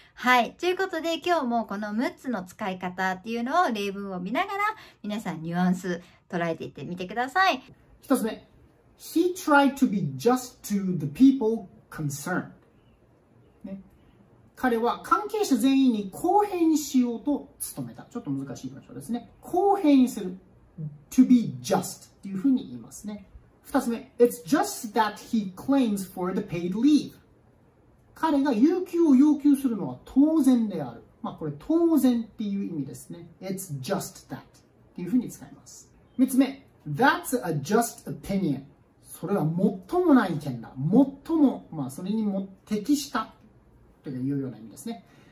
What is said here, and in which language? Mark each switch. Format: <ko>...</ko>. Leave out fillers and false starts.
<ja>はい、ということで今日もこの6つの使い方っていうのを例文を見ながら皆さんニュアンス捉えていってみてください。 1つ目、</ja> <en>He tried to be just to the people concerned、</en> <ja>ね、彼は関係者全員に公平にしようと努めた。ちょっと難しい場所ですね。公平にする、</ja> <en>to be just</en> <ja>というふうに言いますね。</ja> <en>2つ目、 It's just that he claims for the paid leave。</en> <ja>彼が有給を要求するのは当然である。まあこれ当然っていう意味ですね。</ja> <en>It's just that</en> <ja>っていうふうに使います。</ja> <en>3つ目、 That's a just opinion。</en> <ja>それは最もない意見だ、最も、まあそれにも適したというような意味ですね。</ja>